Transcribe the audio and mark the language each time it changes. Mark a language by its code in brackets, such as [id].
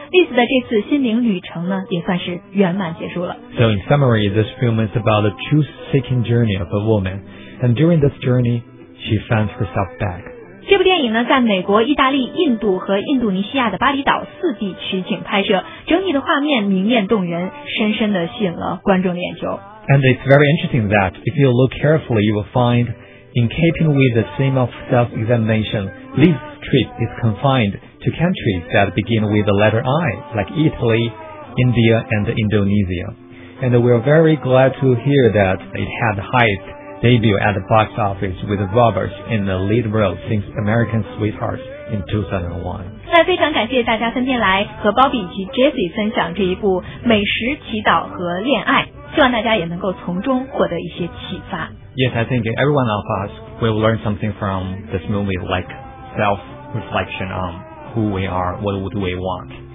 [zh] Liz 的这次心灵旅程呢也算是圆满结束了。 [en] So in summary, this film is about the truth-seeking journey of a woman, and during this journey, she finds herself back. [zh] 这部电影呢在美国、意大利、印度和印度尼西亚的巴厘岛四地取景拍摄，整体的画面明艳动人，深深地吸引了观众的眼球。 [en] And it's very interesting that if you look carefully, you will find in keeping with the theme of self-examination, Liz's trip is confined to countries that begin with the letter I, like Italy, India and Indonesia. And we are very glad to hear that it had highest debut at the box office with Roberts in the lead role since American Sweetheart in 2001. [zh] 那非常感谢大家今天来和 Bobby 以及 Jesse 分享这一部美食、祈祷和恋爱，希望大家也能够从中获得一些启发。 [en] Yes, I think every one of us will learn something from this movie, like self-reflection on who we are, what would we want.